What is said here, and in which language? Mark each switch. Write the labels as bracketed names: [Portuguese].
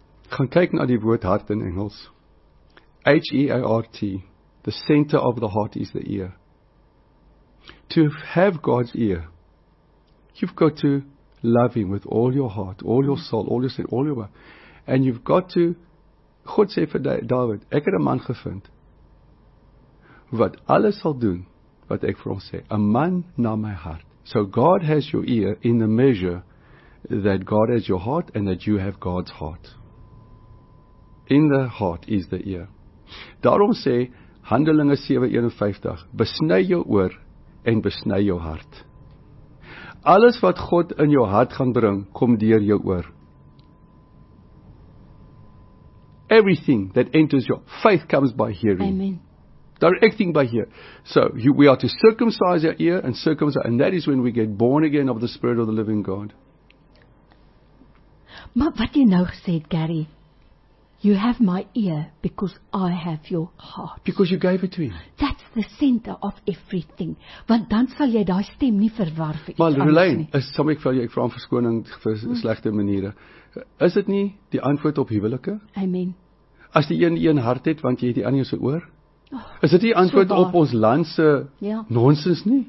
[Afrikaans] Gaan kyk na die woord hart in Engels. H-E-A-R-T. [English] The center of the heart is the ear. To have God's ear, you've got to love him with all your heart, all your soul, all your strength, all your mind. And you've got to, [Afrikaans] God sê vir David, ek het 'n man gevind, wat alles sal doen, wat ek vir hom sê, a man na my hart. [English] So God has your ear in the measure that God has your heart and that you have God's heart. In the heart is the ear. [Afrikaans] Daarom sê, Handelinge 7:51, besny jou oor en besny jou hart. Alles wat God in jou hart gaan bring, kom deur jou oor. [English] Everything that enters your faith comes by hearing. Amen. Directing by hearing. So we are to circumcise our ear and circumcise, and that is when we get born again of the Spirit of the living God. [Afrikaans] Maar wat jy nou gesê het, [English] Gary, you have my ear because I have your heart. Because you gave it to him. That's the center of everything. [Afrikaans] Want dan sal jy daai stem nie verwar vir iets anders nie. Maar Lorelyn, is sommer ek vir jou, ek vra om verskoning vir slegte maniere. Is dit nie die antwoord op huwelike? Amen. As die een hart het, want jy het die ander se oor? Is dit die antwoord op ons land se nonsens nie?